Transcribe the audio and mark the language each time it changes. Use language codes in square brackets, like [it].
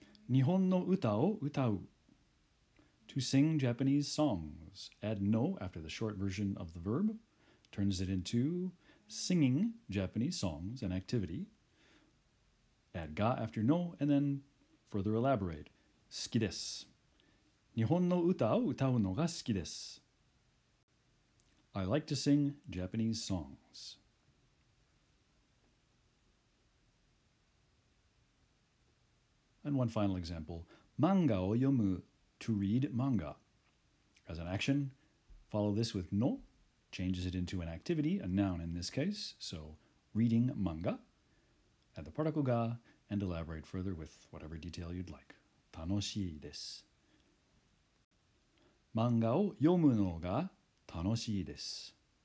[ja] 日本の歌を歌う. [en] To sing Japanese songs, add no after the short version of the verb, turns it into singing Japanese songs, an activity. Add ga after no, and then further elaborate. [ja] 好きです。日本の歌を歌うのが好きです。 [en] I like to sing Japanese songs. And one final example. [ja] 漫画を読む. [en] To read manga. As an action, follow this with no, changes it into an activity, a noun in this case, so reading manga, add the particle ga, and elaborate further with whatever detail you'd like. [ja] 楽しいです。漫画を読むのが楽しいです。